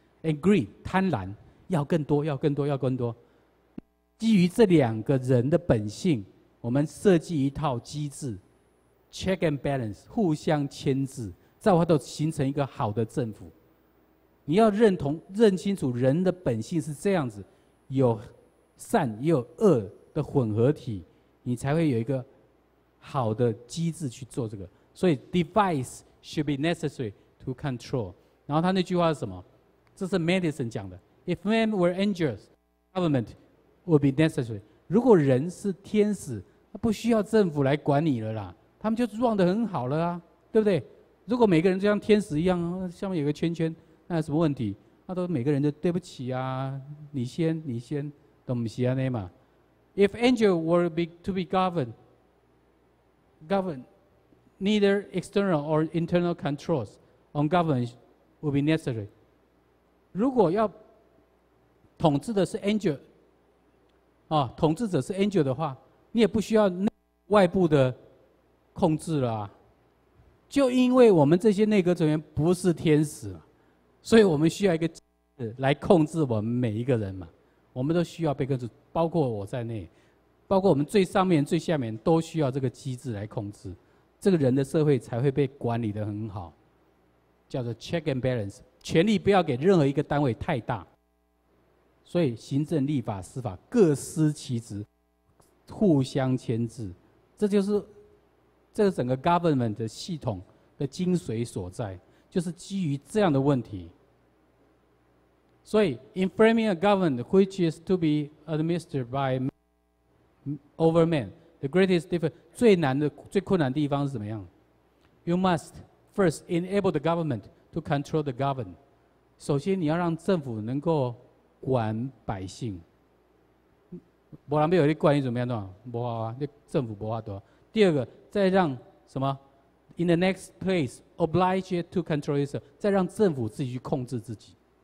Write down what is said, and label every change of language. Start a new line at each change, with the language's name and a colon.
English: And greed
Chinese: 贪婪，要更多，要更多，要更多。基于这两个人的本性，我们设计一套机制
English: check and balance，
Chinese: 互相牵制，在我都形成一个好的政府。你要认同认清楚人的本性是这样子，有善也有恶的混合体，你才会有一个好的机制去做这个。所以
English: device should be necessary to control。
Chinese: 然后他那句话是什么？这是
English: Madison
Chinese: 讲的，
English: if men were angels government would be necessary。
Chinese: 如果人是天使，他不需要政府来管你了啦，他们就撞得很好了啊，对不对？如果每个人就像天使一样，下面有个圈圈，那有什么问题？那都每个人就对不起啊，你先，你先，都不是这样嘛。
English: If angel were to be governed, neither external or internal controls on government would be necessary。
Chinese: 如果要统治的是 angel。啊，统治者是 angel 的话，你也不需要内外部的控制了啊。就因为我们这些内阁成员不是天使，所以我们需要一个来控制我们每一个人嘛。我们都需要被控制，包括我在内，包括我们最上面、最下面都需要这个机制来控制，这个人的社会才会被管理得很好，叫做
English: check and balance。
Chinese: 权力不要给任何一个单位太大。所以行政、立法、司法各司其职，互相牵制，这就是这个整个 government 的系统的精髓所在，就是基于这样的问题。所以
English: in framing a government which is to be administered by over men, the greatest difference
Chinese: 最难的、最困难的地方是怎么样？
English: You must first enable the government to control the governed。
Chinese: 首先你要让政府能够管百姓，不然没有你管你怎么样的，不好啊，你政府不好多。第二个，再让什么 ？
English: In the next place, oblige it to control itself，
Chinese: 再让政府自己去控制自己。